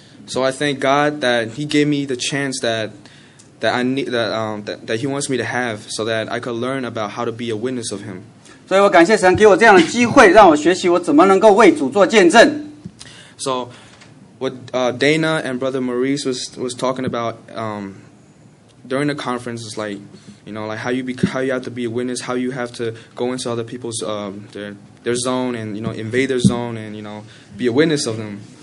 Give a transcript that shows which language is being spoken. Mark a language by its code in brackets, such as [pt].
[en] So I thank God that He gave me the chance that He wants me to have, so that I could learn about how to be a witness of Him. [zh] 所以我感谢神给我这样的机会，让我学习我怎么能够为主做见证。 [en] So what Dana and Brother Maurice was talking about during the conference is how you have to be a witness, how you have to go into other people's their zone and invade their zone and be a witness of them.